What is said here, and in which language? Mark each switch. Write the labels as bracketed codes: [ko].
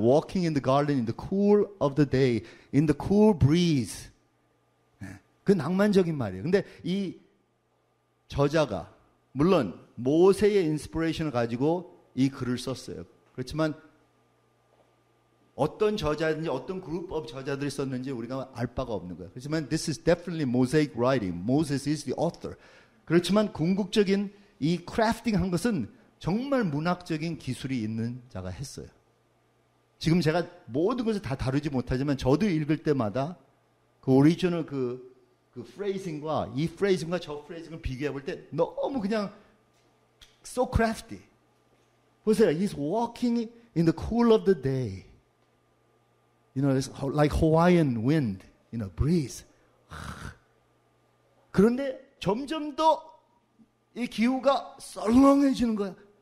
[en] Walking in the garden in the cool of the day, in the cool breeze. [ko] 그 낭만적인 말이에요. 근데 이 저자가 물론 모세의 인스피레이션을 가지고 이 글을 썼어요. 그렇지만 어떤 저자든지 어떤 [en] group of [ko] 저자들이 썼는지 우리가 알 바가 없는 거예요. 그렇지만 [en] this is definitely mosaic writing. Moses is the author. [ko] 그렇지만 궁극적인 이 crafting 한 것은 정말 문학적인 기술이 있는 자가 했어요. 지금 제가 모든 것을 다 다루지 못하지만 저도 읽을 때마다 그 오리지널 그 phrasing과 이 phrasing과 저 phrasing을 비교해 볼 때 너무 그냥 [en] so crafty. [ko] 보세요. [en] He's walking in the cool of the day. You know, it's like Hawaiian wind, you know, breeze. [ko] 그런데 점점 더 이 기후가 썰렁해지는 거야.